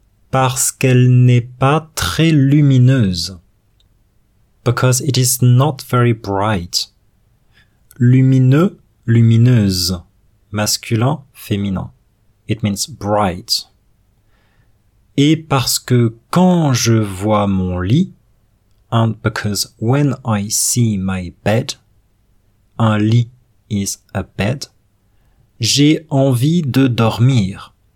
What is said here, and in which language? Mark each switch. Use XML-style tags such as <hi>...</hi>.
<fr>parce qu'elle n'est pas très lumineuse,</fr> <en>because it is not very bright.</en> <fr>Lumineux, lumineuse, masculin, féminin,</fr> <en>it means bright.</en> <fr>Et parce que quand je vois mon lit,</fr> <en>and because when I see my bed,</en> <fr>un lit</fr> <en>is a bed,</en> <fr>j'ai envie de dormir.</fr>